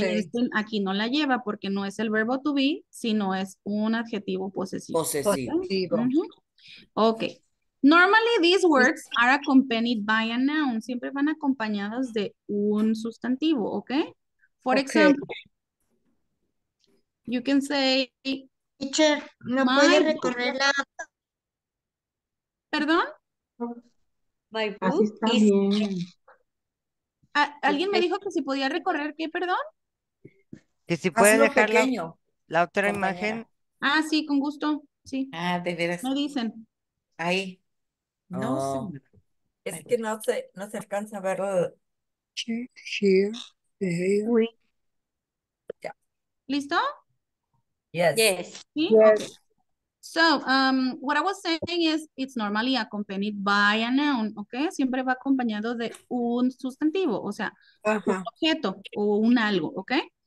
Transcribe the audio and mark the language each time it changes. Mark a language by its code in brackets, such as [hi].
[es] Este aquí no la lleva porque no es el verbo to be, sino es un adjetivo posesivo. Posesivo. Uh-huh. Okay. [en] Normally these words are accompanied by a noun. [es] Siempre van acompañadas de un sustantivo, ¿ok? [en] For example, you can say. [es] Teacher, no puede recorrer la. ¿Perdón? [en] My book is. [es] ¿Alguien me dijo que si podía recorrer qué, perdón? Que si puede dejar la otra imagen. Ah, sí, con gusto. Sí. Ah, de veras. No dicen. Ahí. No. Oh. Es que no se alcanza a ver. [en] Here. [es] Uy. Ya. ¿Listo? [en] Yes. Yes. [es] ¿Sí? [en] Yes. Okay. So, what I was saying is it's normally accompanied by a noun, okay? [es] Siempre va acompañado de un sustantivo, o sea, un objeto o un algo, okay?